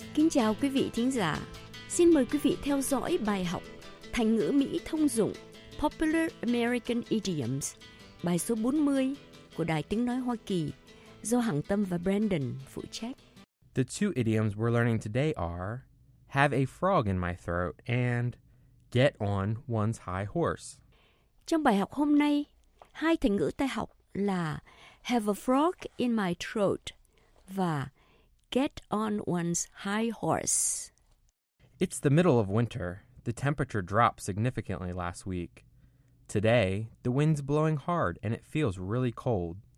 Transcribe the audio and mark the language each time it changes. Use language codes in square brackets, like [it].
[vi] Chào quý vị thính giả, xin mời quý vị theo dõi bài học thành ngữ Mỹ thông dụng Popular American Idioms, bài số 40 của Đài Tiếng Nói Hoa Kỳ do Hằng Tâm và Brandon phụ trách. [en] The two idioms we're learning today are have a frog in my throat and get on one's high horse. [vi] Trong bài học hôm nay, hai thành ngữ ta học là [en] have a frog in my throat [vi] và [en] get on one's high horse. It's the middle of winter. The temperature dropped significantly last week. Today, the wind's blowing hard and it feels really cold.